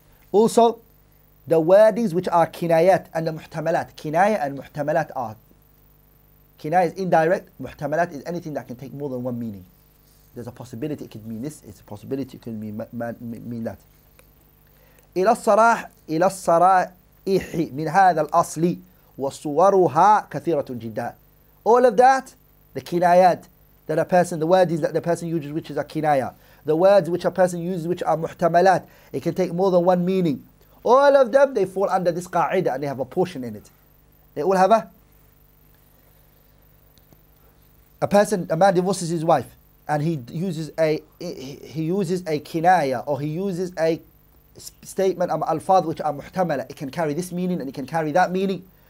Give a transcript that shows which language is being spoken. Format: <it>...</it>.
<en>Also, the wordings which are kinayat and the muhtamalat. Kinaya and muhtamalat are. Kinaya is indirect. Muhtamalat is anything that can take more than one meaning. There's a possibility it could mean this. It's a possibility it could mean that.</en> <ar>إلى الصراح إلى الصرائح من هذا الأصل وصورها كثيرة جدا.</ar> <en>All of that, the kinayat that a person, the words that the person uses, which is a kinaya, the words which a person uses, which are muhtamalat, it can take more than one meaning. All of them, they fall under this qaida and they have a portion in it. They all have a man divorces his wife and he uses a kinaya or he uses a statement of al-fadh which are muhtamala, it can carry this meaning and it can carry that meaning.</en>